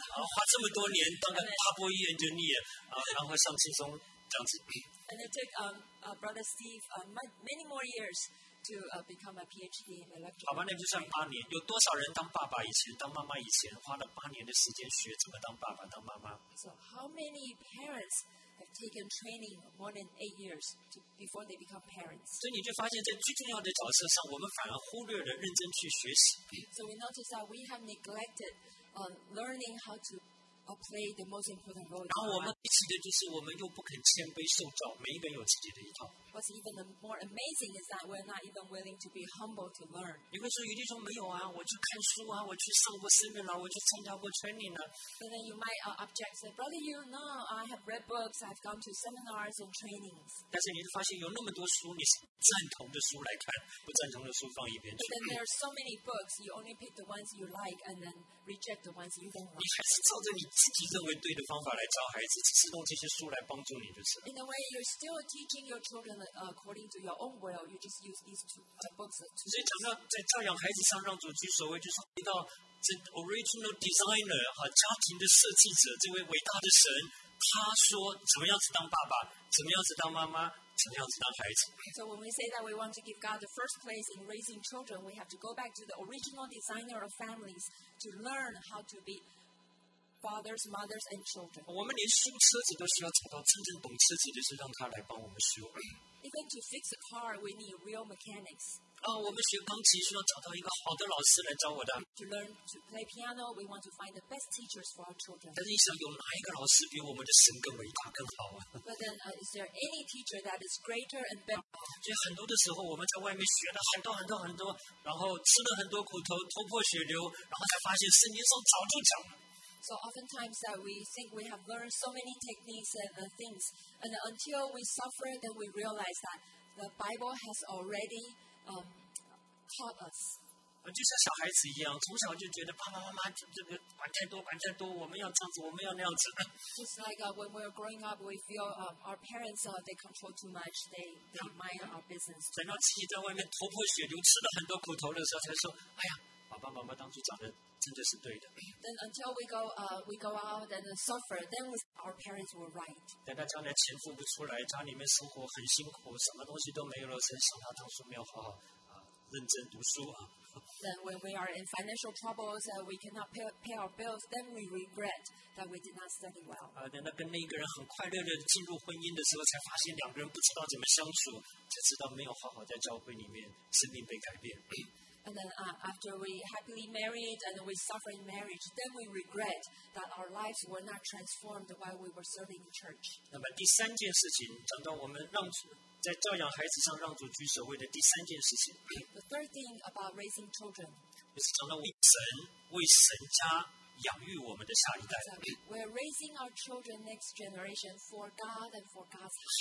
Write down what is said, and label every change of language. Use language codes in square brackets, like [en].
[zh] 花这么多年，当个哈佛医院就腻了，然后上轻松这样子。 [en] And it took Brother Steve many more years. To become a PhD in electrical. [zh] 好吧，那就算八年。有多少人当爸爸以前、当妈妈以前，花了八年的时间学怎么当爸爸、当妈妈 [en] ？So how many parents have taken training more than 8 years before they become parents? [zh] 所以你就发现，在最重要的角色上，我们反而忽略了认真去学习。 [en] So we notice that we have neglected learning how to. Play the most important role. [zh] 然后我们一起的就是我们又不肯谦卑受教，每一个人有自己的一套。 [en] What's even more amazing is that we're not even willing to be humble to learn. [zh] 你会说，有的时候没有啊，我去看书啊，我去上过 seminar， 我去参加过 training 啊。 [en] And then you might object, say, "Brother, you know, I have read books, I've gone to seminars and trainings." [zh] 但是你会发现有那么多书，你是赞同的书来看，不赞同的书放一边去。 [en] But then there are so many books, you only pick the ones you like and then reject the ones you don't like. [zh] 你还是照着你。自己认为对的方法来教孩子，是用这些书来帮助你，就是。 [en] In a way, you're still teaching your children according to your own will. You just use these two books. [zh] 所以讲到在教养孩子上，让主居首位，就是回到这 [en] original designer [zh] 和家庭的设计者这位伟大的神，他说怎么样子当爸爸，怎么样子当妈妈。 [en] So when we say that we want to give God the first place in raising children, we have to go back to the original designer of families to learn how to be. Fathers, mothers, and children. [zh] 我们连修车子都需要找到真正懂车子的，是让他来帮我们修。 [en] Even to fix a car, we need real mechanics. [zh] 我们学钢琴需要找到一个好的老师来教我的。 [en] To learn to play piano, we want to find the best teachers for our children. [zh] 但是你想，有哪一个老师比我们的神更伟大、更好啊 [en] ？But then, is there any teacher that is greater and better? [zh] 所以很多的时候，我们在外面学了很多很多很多，然后吃了很多苦头，头破血流，然后才发现圣经上早就讲了。 [en] So oftentimes that we think we have learned so many techniques and things, and until we suffer, then we realize that the Bible has already taught us. [zh] 就像小孩子一样，从小就觉得爸爸妈妈这个管太多，管太多，我们要这样子，我们要那样子。 [en] Just like when we are growing up, we feel our parents they control too much, they mind our business. [zh] 等到自己在外面头破血流，吃了很多苦头的时候，才说，哎呀，爸爸妈妈当初讲的。真的是对的。 [en] Then until we go out and suffer, then our parents were right. [zh] 等到将来钱付不出来，家里面生活很辛苦，什么东西都没有了，才想他当初没有好好认真读书啊。 [en] Then when we are in financial troubles, we cannot pay our bills, then we regret that we did not study well. [zh] 等到跟那个人很快乐的进入婚姻的时候，才发现两个人不知道怎么相处，才知道没有好好在教会里面，生命被改变。 [en] And then after we happily married and we suffer in marriage, then we regret that our lives were not transformed while we were serving the church. [zh] 那么第三件事情，讲到我们让在教养孩子上让主居首位的第三件事情。 [en] The third thing about raising children. [zh] 就是讲到为神家养育我们的下一代。 [en] We're raising our children next generation for God and for God's sake.